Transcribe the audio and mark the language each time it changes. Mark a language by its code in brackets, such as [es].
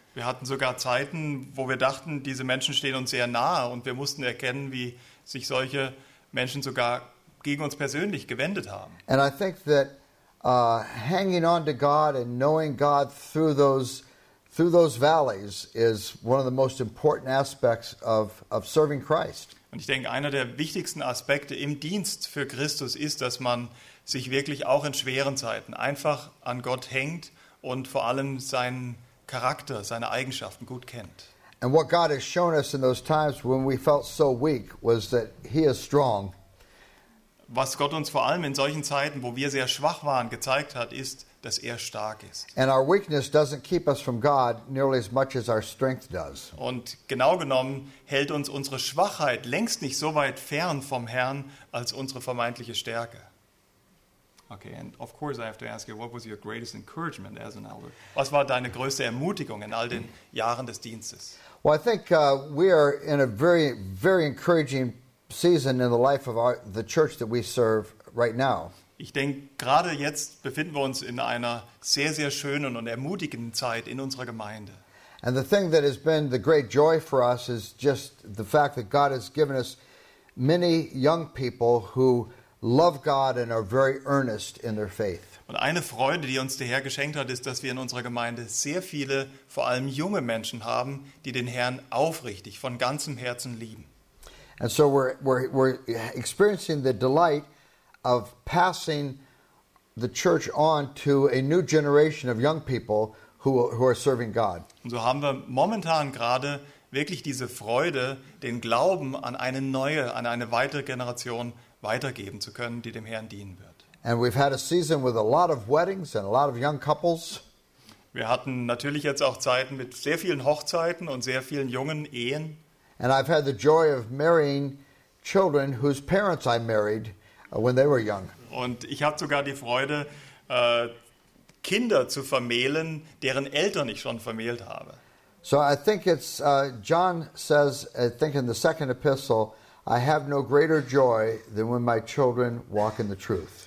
[de] Wir hatten sogar Zeiten, wo wir dachten, diese Menschen stehen uns sehr nahe, und wir mussten erkennen, wie sich solche Menschen sogar gegen uns persönlich gewendet haben. [en] And I think that hanging on to God and knowing God through those valleys is one of the most important aspects of serving Christ. [de] Und ich denke, einer der wichtigsten Aspekte im Dienst für Christus ist, dass man sich wirklich auch in schweren Zeiten einfach an Gott hängt und vor allem seinen Charakter, seine Eigenschaften gut kennt. [en] And what God has shown us in those times when we felt so weak was that he is strong. [de] Was Gott uns vor allem in solchen Zeiten, wo wir sehr schwach waren, gezeigt hat, ist, dass er stark ist. [en] And our weakness doesn't keep us from God nearly as much as our strength does. [de] Und genau genommen hält uns unsere Schwachheit längst nicht so weit fern vom Herrn als unsere vermeintliche Stärke. [en] Okay, and of course I have to ask you, what was your greatest encouragement as an elder? [de] Was war deine größte Ermutigung in all den Jahren des Dienstes? [en] Well, I think we are in a very, very encouraging season in the life of the church that we serve right now. [de] Ich denke, gerade jetzt befinden wir uns in einer sehr, sehr schönen und ermutigenden Zeit in unserer Gemeinde. [en] And the thing that has been the great joy for us is just the fact that God has given us many young people who love God and are very earnest in their faith. [de] Und eine Freude, die uns der Herr geschenkt hat, ist, dass wir in unserer Gemeinde sehr viele, vor allem junge Menschen haben, die den Herrn aufrichtig von ganzem Herzen lieben. [en] And so we're experiencing the delight of passing the church on to a new generation of young people who are serving God. [de] Und so haben wir momentan gerade wirklich diese Freude, den Glauben an eine weitere Generation weitergeben zu können, die dem Herrn dienen wird. [en] And we've had a season with a lot of weddings and a lot of young couples. [de] Wir hatten natürlich jetzt auch Zeiten mit sehr vielen Hochzeiten und sehr vielen jungen Ehen. [en] And I've had the joy of marrying children whose parents I married when they were young. [de] Und ich habe sogar die Freude, Kinder zu vermählen, deren Eltern ich schon vermählt habe. [en] So I think it's John says, I think in the second epistle, I have no greater joy than when my children walk in the truth.